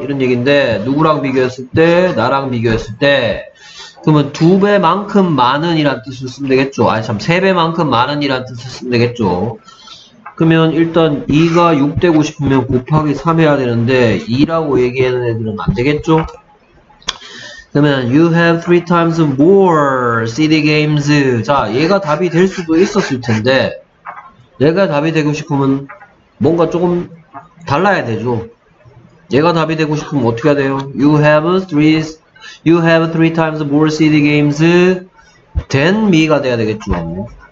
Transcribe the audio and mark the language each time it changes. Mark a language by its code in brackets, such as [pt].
[ko] 이런 얘기인데, 누구랑 비교했을 때? 나랑 비교했을 때. 그러면 두 배만큼 많은 이란 뜻을 쓰면 되겠죠. 아니, 참, 세 배만큼 많은 이란 뜻을 쓰면 되겠죠. 그러면 일단 2가 6 되고 싶으면 곱하기 3해야 되는데, 2라고 얘기하는 애들은 안 되겠죠? 그러면 [en] you have three times more CD games. [ko] 자, 얘가 답이 될 수도 있었을 텐데, 내가 답이 되고 싶으면 뭔가 조금 달라야 되죠. 얘가 답이 되고 싶으면 어떻게 해야 돼요? [en] You have three times more CD games than me가 [ko] 돼야 되겠죠.